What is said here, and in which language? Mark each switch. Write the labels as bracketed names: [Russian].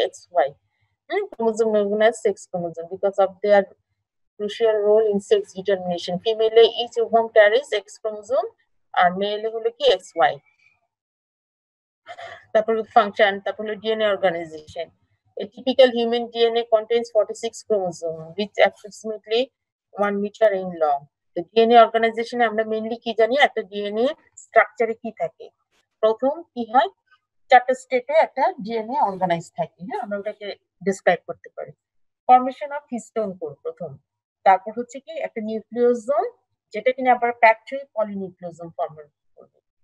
[English] X Y, হ্যাঁ, chromosome known as sex chromosome because of their crucial role in sex determination. [Bangla] Female A each ovum caries x chromosome আর mail এ হলো কি x Y. তারপর function, তারপর হলো DNA organisation. [English] A typical human DNA contains 46 chromosomes, which approximately 1 meter in long. The DNA organization, [Bangla] আমরা mainly কি জানি, একটা DNA structure কি থাকে। প্রথম কি হয়, চারটা স্টেটে একটা DNA organized থাকে, হ্যাঁ, আমরা ওটাকে describe করতে পারি। [English] Formation of histone core [Bangla] প্রথম, তারপর হচ্ছে কি একটা nucleosome, যেটা কিনা আবার packed হয়ে polynucleosome form করবে।